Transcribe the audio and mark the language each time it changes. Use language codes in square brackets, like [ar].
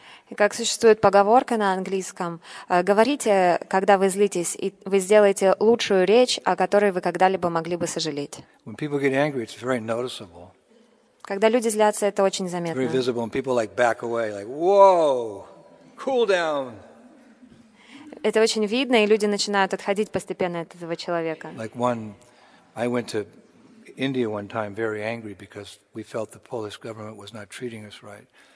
[ru] И как существует поговорка на английском, говорите, когда вы злитесь, и вы сделаете лучшую речь, о которой вы когда-либо могли бы сожалеть. [en] When people get angry, it's very noticeable. [ru] Когда люди злятся, это очень заметно. [en] Very visible, and people like back away, like, whoa, cool down. [ru] Это очень видно, и люди начинают отходить постепенно от этого человека. [en] Like one, I went to India one time very angry because we felt the Polish government was not treating us right.